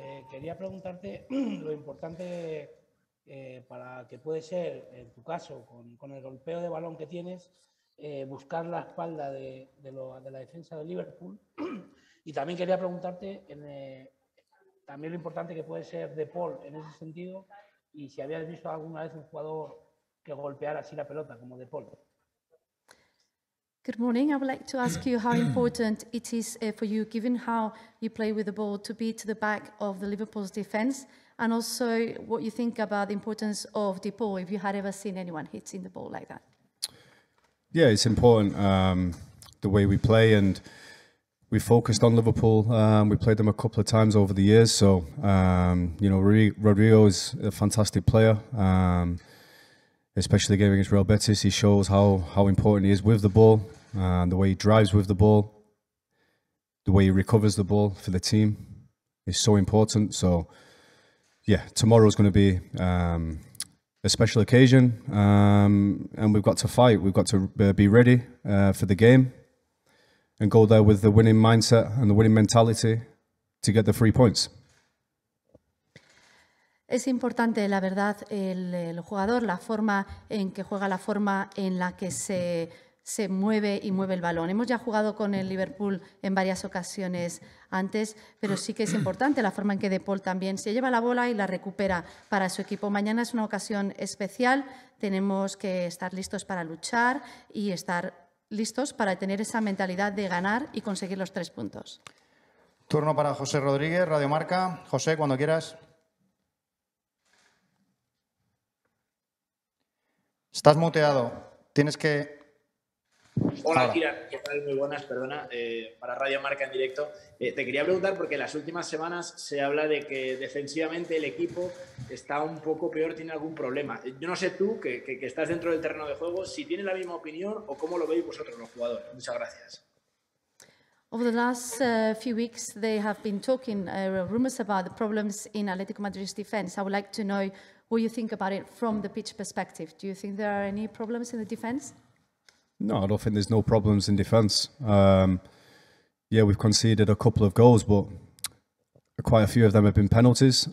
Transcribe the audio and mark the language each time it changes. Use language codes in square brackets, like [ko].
[es] Quería preguntarte lo importante para que puede ser, en tu caso, con el golpeo de balón que tienes, buscar la espalda de la defensa de Liverpool. Y también quería preguntarte también lo importante que puede ser De Paul en ese sentido y si habías visto alguna vez un jugador que golpeara así la pelota como De Paul. [en] Good morning. I would like to ask you how important it is for you, given how you play with the ball, to be to the back of the Liverpool's defense, and also what you think about the importance of De Paul, if you had ever seen anyone hitting the ball like that. Yeah, it's important the way we play, and we focused on Liverpool. We played them a couple of times over the years. So, you know, Rodrigo is a fantastic player, especially the game against Real Betis. He shows how important he is with the ball, the way he drives with the ball, the way he recovers the ball for the team is so important. So, yeah, tomorrow is going to be a special occasion, and we've got to fight. We've got to be ready for the game. And go there with the winning mindset and the winning mentality to get the 3 points. [es] Es importante, la verdad, el jugador, la forma en que juega, la forma en la que se mueve y mueve el balón. Hemos ya jugado con el Liverpool en varias ocasiones antes, pero sí que es importante la forma en que De Paul también se lleva la bola y la recupera para su equipo. Mañana es una ocasión especial, tenemos que estar listos para luchar y estar listos para tener esa mentalidad de ganar y conseguir los 3 puntos. Turno para José Rodríguez, Radio Marca. José, cuando quieras. Estás muteado. Tienes que... Hola, Kira. ¿Qué tal? Muy buenas, perdona. Para Radio Marca en directo. Te quería preguntar porque en las últimas semanas se habla de que defensivamente el equipo está un poco peor, tiene algún problema. Yo no sé tú, que estás dentro del terreno de juego, si tienes la misma opinión o cómo lo veis vosotros los jugadores. Muchas gracias. [en] Over the last few weeks, they have been talking rumors about the problems in Atletico Madrid's defense. I would like to know what you think about it from the pitch perspective. Do you think there are any problems in the defense? No, I don't think there's no problems in defence. Yeah, we've conceded a couple of goals, but quite a few of them have been penalties.